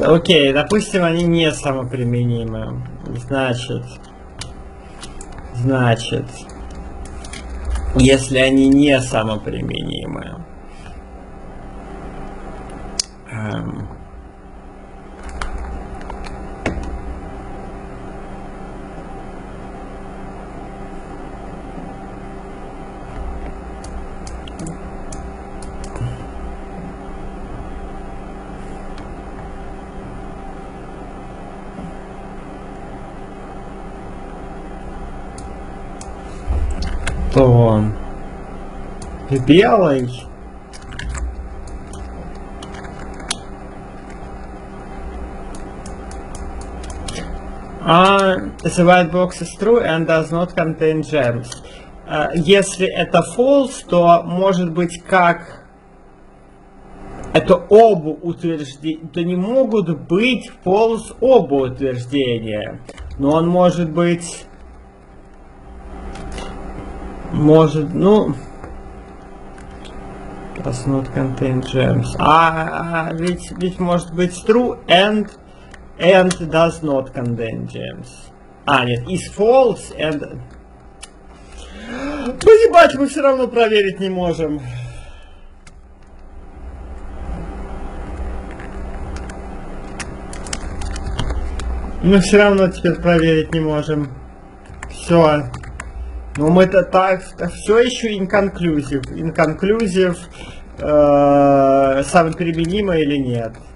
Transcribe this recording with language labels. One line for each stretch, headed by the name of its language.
Russian: Окей, допустим, они не самоприменимы. Значит, если они не самоприменимы, то белый
English: the white box is true and does not contain gems.
Russian: Если это false, то может быть как это оба утверждения, то не могут быть false оба утверждения, но он может быть. Может, ну...
English: Does not contain gems.
Russian: Ведь может быть
English: true and does not contain gems.
Russian: Нет,
English: is false and...
Russian: Поебать, мы все равно проверить не можем. Мы все равно теперь проверить не можем. Все. Но мы-то так, все еще inconclusive, самоприменимо или нет.